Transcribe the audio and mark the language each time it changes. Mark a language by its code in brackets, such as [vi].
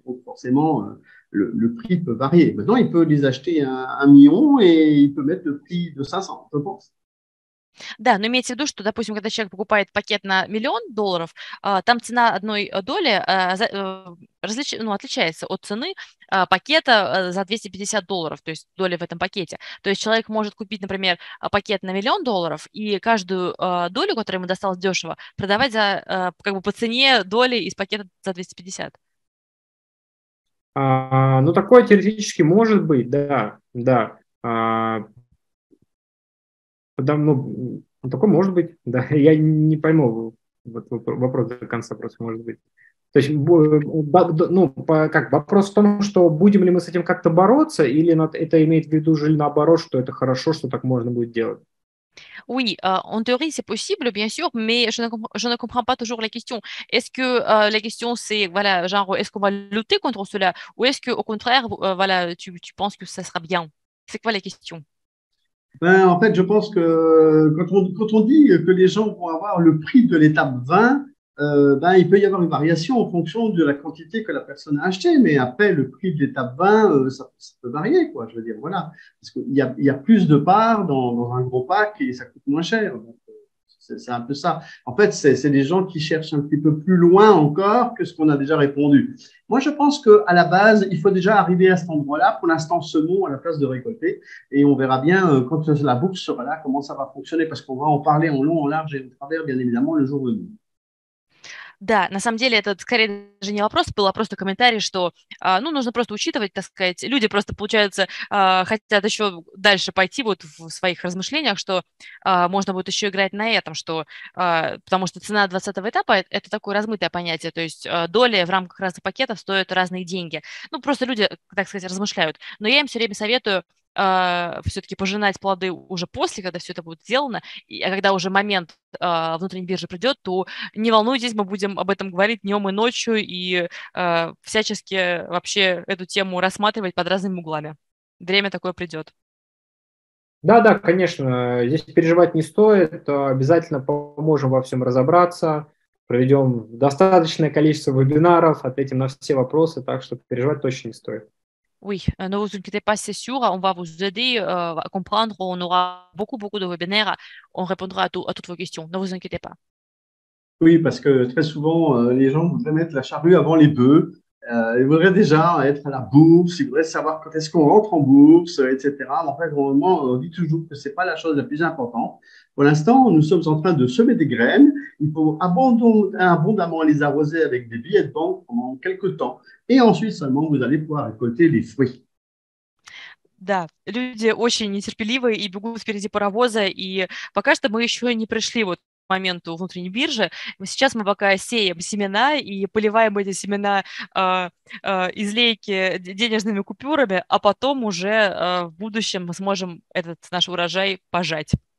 [fr] Donc, forcément, le prix peut varier. Maintenant, il peut les acheter à 1 million et il peut mettre le prix de 500, je pense. [ru] Да, но имейте в виду, что, допустим, когда человек покупает пакет на миллион долларов, там цена одной доли отличается от цены пакета за 250 долларов, то есть доли в этом пакете. То есть человек может купить, например, пакет на миллион долларов и каждую долю, которая ему досталась дешево, продавать за, как бы по цене доли из пакета за 250. Ну, такое теоретически может быть, да, да. Ну, такое может быть, да. Я не пойму вопрос до конца, просто может быть. То есть, ну, как, вопрос в том, что будем ли мы с этим как-то бороться, или это имеет в виду же наоборот, что это хорошо, что так можно будет делать? [fr] Oui, en théorie, c'est possible, bien sûr, mais je ne comprends pas toujours la question. Est-ce que la question, c'est, voilà, genre, est-ce qu'on va lutter contre cela, ou est-ce qu'au contraire, voilà, tu penses que ça sera bien? C'est quoi la question? Ben, en fait, je pense que quand on dit que les gens vont avoir le prix de l'étape 20, ben, il peut y avoir une variation en fonction de la quantité que la personne a achetée. Mais après, le prix de l'étape 20, ça peut varier, quoi. Je veux dire, voilà. Parce qu'il y a plus de parts dans un gros pack et ça coûte moins cher. Donc, c'est un peu ça. En fait, c'est des gens qui cherchent un petit peu plus loin encore que ce qu'on a déjà répondu. Moi, je pense qu'à la base, il faut déjà arriver à cet endroit-là. Pour l'instant, semons à la place de récolter. Et on verra bien quand la bourse sera là, comment ça va fonctionner. Parce qu'on va en parler en long, en large et en travers, bien évidemment, le jour venu. [ru] Да, на самом деле, это скорее даже не вопрос был, а просто комментарий, что, ну, нужно просто учитывать, так сказать, люди просто, получается, хотят еще дальше пойти вот в своих размышлениях, что можно будет еще играть на этом, что, потому что цена 20-го этапа – это такое размытое понятие, то есть доли в рамках разных пакетов стоят разные деньги. Ну, просто люди, так сказать, размышляют. Но я им все время советую все-таки пожинать плоды уже после, когда все это будет сделано, а когда уже момент внутренней биржи придет, то не волнуйтесь, мы будем об этом говорить днем и ночью и всячески вообще эту тему рассматривать под разными углами. Время такое придет. Да, конечно, здесь переживать не стоит, обязательно поможем во всем разобраться, проведем достаточное количество вебинаров, ответим на все вопросы, так что переживать точно не стоит. [fr] Oui, ne vous inquiétez pas, c'est sûr, on va vous aider à comprendre, on aura beaucoup, beaucoup de webinaires, on répondra à toutes vos questions, ne vous inquiétez pas. Oui, parce que très souvent, les gens voudraient mettre la charrue avant les bœufs, Il voudrait déjà être à la bourse, il voudrait savoir quand est-ce qu'on rentre en bourse, etc. En fait, normalement, on dit toujours que ce n'est pas la chose la plus importante. Pour l'instant, nous sommes en train de semer des graines. Il faut abondamment les arroser avec des billets de banque pendant quelques temps. Et ensuite seulement, vous allez pouvoir récolter les fruits. [ru] Да, люди очень нетерпеливые и бегут впереди паровоза, и пока что мы еще не пришли вот к моменту внутренней биржи. Сейчас мы пока сеем семена и поливаем эти семена излейки денежными купюрами, а потом уже в будущем мы сможем этот наш урожай пожать.